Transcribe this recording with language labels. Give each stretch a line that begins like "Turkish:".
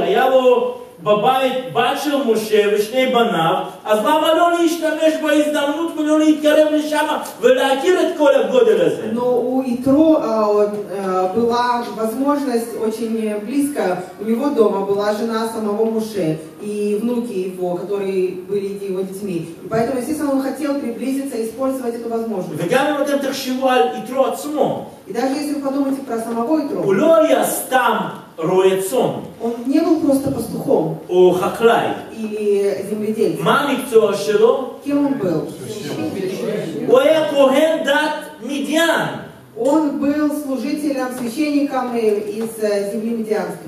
Hebrew: היה לו בבית בת של משה ושני בניו. אז למה לא להשתמש בהזדמנות ולא להתקרב לשם ולהכיר את כל הגודל הזה?
Russian: Но у Итро была возможность очень близко. У него дома была жена самого Муше и внуки его, которые были его детьми. Поэтому, естественно, он хотел приблизиться и использовать эту возможность.
Hebrew: וגם אם אתם תחשבו על יתרו עצמו.
Russian: И даже если вы подумаете про самого Итро.
Hebrew: הוא לא היה סתם רועה צאן.
Russian: Он не был просто пастухом.
Hebrew: או חקלאי.
Russian: Или земледельцем.
Hebrew: מה המקצוע שלו?
Russian: Кем он был?
Hebrew: הוא היה כהן דת מדיין.
Russian: Он был служителем, священником из земли Медианской.